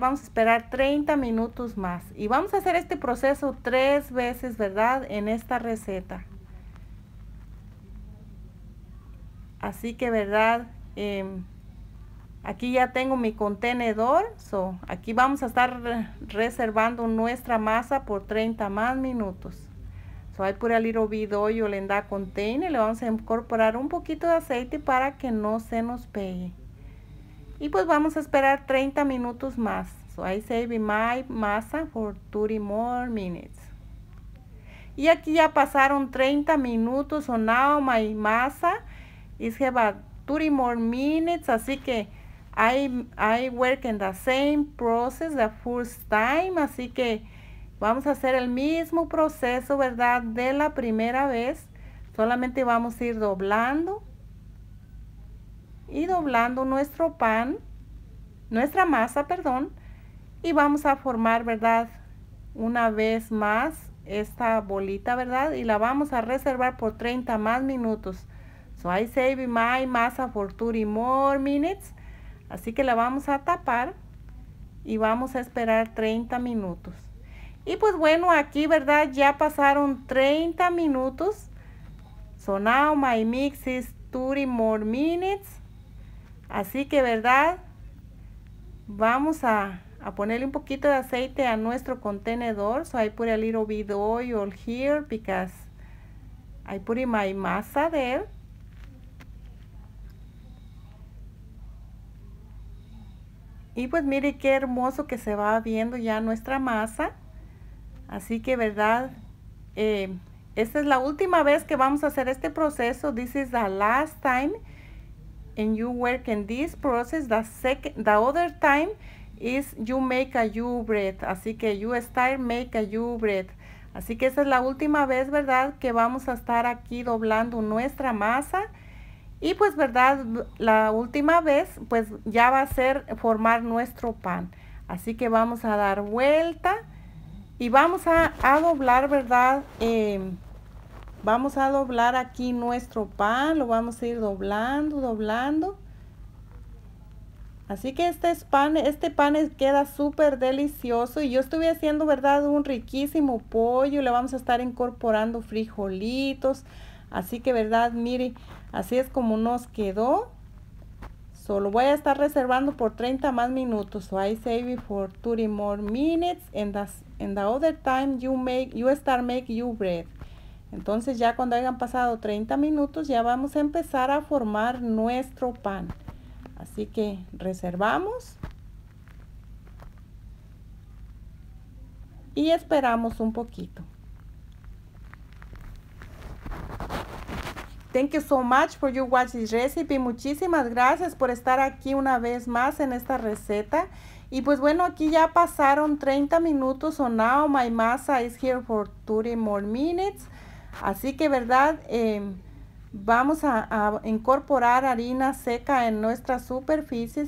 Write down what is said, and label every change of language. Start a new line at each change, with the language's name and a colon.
Spanish: Vamos a esperar 30 minutos más. Y vamos a hacer este proceso 3 veces, ¿verdad? En esta receta. Así que, ¿verdad? Aquí ya tengo mi contenedor. So, aquí vamos a estar reservando nuestra masa por 30 más minutos.
English: So I put a little bit oil in that container.
Spanish: Le vamos a incorporar un poquito de aceite para que no se nos pegue. Y pues vamos a esperar 30 minutos más.
English: So I save my masa for 30 more minutes.
Spanish: Y aquí ya pasaron 30 minutos.
English: So now my masa is about 30 more minutes.
Spanish: Así que
English: I work in the same process the first time.
Spanish: Así que vamos a hacer el mismo proceso, ¿verdad? De la primera vez. Solamente vamos a ir doblando y doblando nuestro pan, nuestra masa, perdón. Y vamos a formar, ¿verdad? Una vez más esta bolita, ¿verdad? Y la vamos a reservar por 30 más minutos.
English: So I save my masa for 30 more minutes.
Spanish: Así que la vamos a tapar y vamos a esperar 30 minutos. Y pues bueno, aquí, ¿verdad? Ya pasaron 30 minutos.
English: So now my mix is 30 more minutes.
Spanish: Así que, ¿verdad? Vamos a ponerle un poquito de aceite a nuestro contenedor.
English: So I put a little bit of oil here because I put in my masa there.
Spanish: Y pues mire qué hermoso que se va viendo ya nuestra masa. Así que, ¿verdad? Esta es la última vez que vamos a hacer este proceso.
English: This is the last time. And you work in this process. The other time is you make a new bread.
Spanish: Así que
English: you start make a new bread.
Spanish: Así que esta es la última vez, ¿verdad? Que vamos a estar aquí doblando nuestra masa. Y pues, ¿verdad? La última vez, pues ya va a ser formar nuestro pan. Así que vamos a dar vuelta. Y vamos a doblar, ¿verdad? Vamos a doblar aquí nuestro pan. Lo vamos a ir doblando, doblando. Así que este pan queda súper delicioso. Y yo estuve haciendo, ¿verdad? Un riquísimo pollo. Le vamos a estar incorporando frijolitos. Así que, ¿verdad? Mire, así es como nos quedó. Solo voy a estar reservando por 30 más minutos.
English: So I save it for 30 more minutes. And the other time you start make your bread.
Spanish: Entonces ya cuando hayan pasado 30 minutos ya vamos a empezar a formar nuestro pan. Así que reservamos y esperamos un poquito.
English: Thank you so much for your watch this recipe.
Spanish: Muchísimas gracias por estar aquí una vez más en esta receta. Y pues bueno, aquí ya pasaron 30 minutos.
English: So now my masa is here for 30 more minutes.
Spanish: Así que, ¿verdad? Vamos a incorporar harina seca en nuestra superficie.